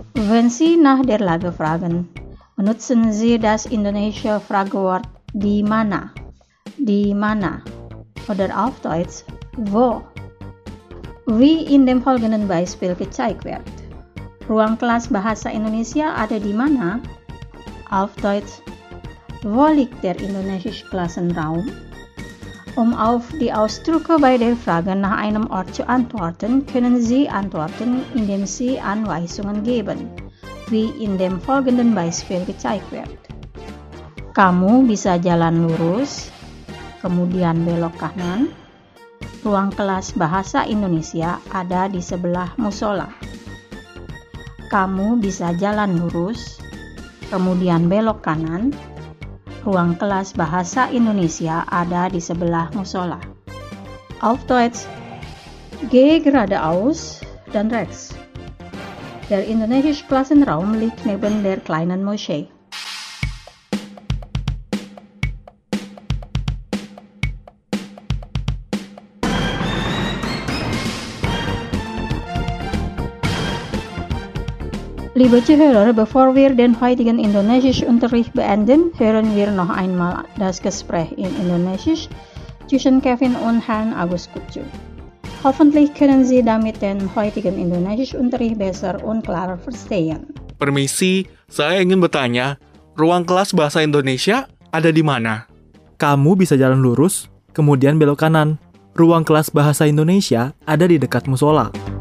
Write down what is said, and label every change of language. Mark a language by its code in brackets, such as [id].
[de] Wenn Sie nach der Lage fragen, benutzen Sie das indonesische Fragewort [id] di mana? Di mana? [de] Oder auf Deutsch, wo? Wie in dem folgenden Beispiel gezeigt wird. [id] Ruang kelas bahasa Indonesia ada di mana? [de] Auf Deutsch, wo liegt der indonesische Klassenraum? Auf die Ausdrücke bei der Frage nach einem Ort zu antworten, können Sie antworten, indem Sie Anweisungen geben, wie in dem folgenden Beispiel gezeigt wird. [id] Kamu bisa jalan lurus, kemudian belok kanan. Ruang kelas bahasa Indonesia ada di sebelah musola. Kamu bisa jalan lurus, kemudian belok kanan. Ruang kelas bahasa Indonesia ada di sebelah musola. [de] Auf Deutsch, geh geradeaus dan rechts. Der indonesische Klassenraum liegt neben der kleinen Moschee. Liebe Zuhörer, bevor wir den heutigen indonesischen Unterricht beenden, hören wir noch einmal das Gespräch in Indonesisch zwischen Kevin und Herrn Agus Kutsu. Hoffentlich können Sie damit den heutigen indonesischen Unterricht besser und klarer verstehen. [id] Permisi, saya ingin bertanya, ruang kelas bahasa Indonesia ada di mana? Kamu bisa jalan lurus, kemudian belok kanan. Ruang kelas bahasa Indonesia ada di dekat musola.